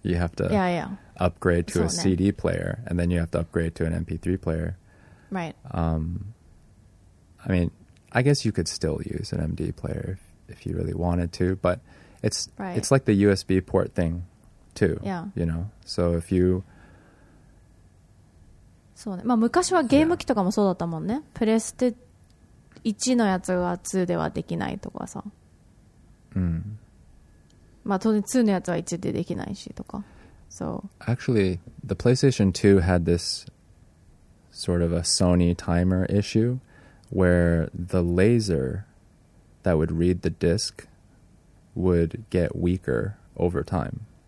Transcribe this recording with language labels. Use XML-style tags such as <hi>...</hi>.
<en>You have to upgrade to a CD player, and then you have to upgrade to an MP3 player. Right. I mean, I guess you could still use an MD player if you really wanted to, but it's like the USB port thing too. Yeah. You know, so if you...</en> <ja>そうね。まあ、昔はゲーム機とかもそうだったもんね。</ja> <en>Yeah.</en> <ja>プレステ1のやつは2ではできないとかさ。うん。まあ、当然2のやつは1でできないしとか。</ja> <en>So. Actually, the PlayStation 2 had this sort of a Sony timer issue where the laser that would read the disc would get weaker over time.</en>